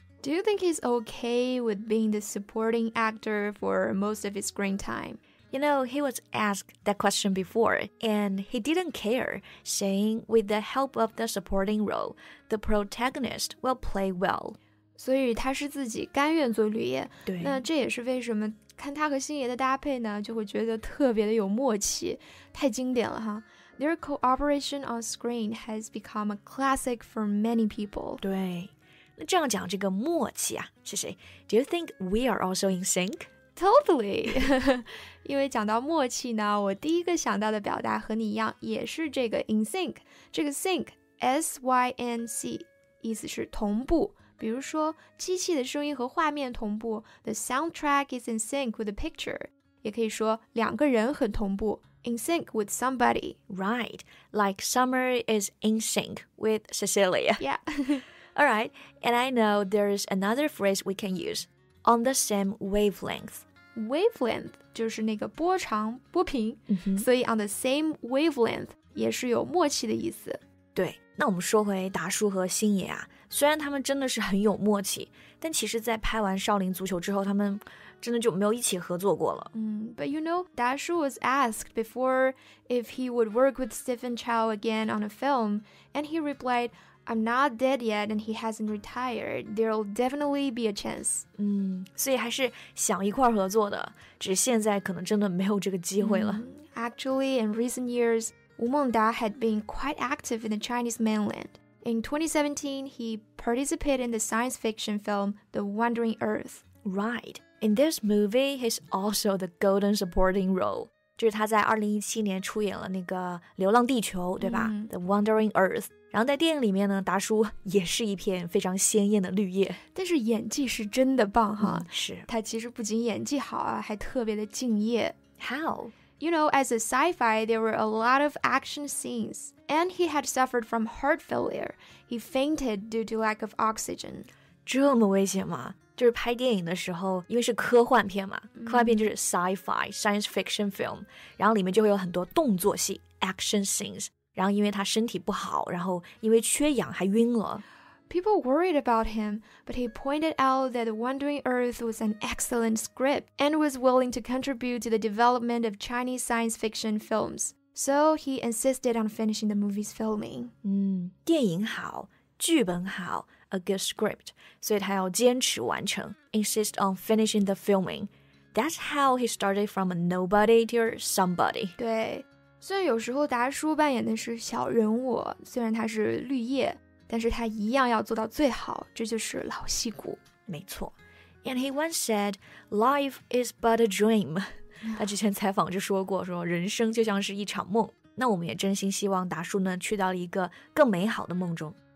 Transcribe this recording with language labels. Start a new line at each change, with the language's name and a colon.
English: Do you think he's okay with being the supporting actor for most of his screen time? You know, he was asked that question before, and he didn't care, saying with the help of the supporting role, the protagonist will play well.
Chinese: 所以他是自己甘愿做绿叶，对，那这也是为什么看他和星爷的搭配呢，就会觉得特别的有默契，太经典了哈。
English: Their cooperation on screen has become a classic for many people.
Chinese: 对，那这样讲这个默契啊，是谁 ？
English: Do you think we are also in sync? Totally.
Chinese: 因为讲到默契呢，我第一个想到的表达和你一样，也是这个 in sync. 这个 sync, S-Y-N-C. 意思是同步。比如说，机器的声音和画面同步 ，
English: the soundtrack is in sync with the picture。
Chinese: 也可以说两个人很同步 ，
English: in sync with somebody。 Right, like Summer is in sync with Cecilia. Yeah. All right, and I know there is another phrase we can use, on the same wavelength.
Chinese: Wavelength 就是那个波长波频、 mm-hmm. 所以 on the same wavelength 也是有默契的意思对那我们说回达叔和星爷啊虽然他们真的是很有默契但其实在拍完少林足球之后他们真的就没有一起合作过了、
English: But you know 达叔 was asked before if he would work with Stephen Chow again on a film and he replied I'm not dead yet and he hasn't retired. There'll definitely be a chance.
Chinese: 所以还是想一块合作的只是现在可能真的没有这个机会了。
English: Actually, in recent years, 吴孟达 had been quite active in the Chinese mainland. In 2017, he participated in the science fiction film The Wandering Earth. Right. In this movie, he's also the golden supporting role.
Chinese: 就是他在2017年出演了那个流浪地球对吧、The Wandering Earth. 然后在电影里面呢达叔也是一片非常鲜艳的绿叶但是演技是真的棒哈、是他其实不仅演技好啊还特别的敬业
English: How? You know as a sci-fi there were a lot of action scenes and he had suffered from heart failure he fainted due to lack of oxygen
Chinese: 这么危险吗就是拍电影的时候因为是科幻片嘛、科幻片就是
English: sci-fi science fiction film
Chinese: 然后里面就会有很多动作戏 action scenes然后因为他身体不好然后因为缺氧还晕了
English: People worried about him but he pointed out that The Wandering Earth was an excellent script and was willing to contribute to the development of Chinese science fiction films so he insisted on finishing the movie's filming
Chinese: 电影好剧本好
English: a good script
Chinese: 所以他要坚持完成
English: insist on finishing the filming That's how he started from a nobody to somebody
Chinese: 对虽然有时候达叔扮演的是小人物虽然他是绿叶但是他一样要做到最好这就是老戏骨没错
English: And he once said Life is but a dream
Chinese: 他之前采访就说过说人生就像是一场梦那我们也真心希望达叔呢去到了一个更美好的梦中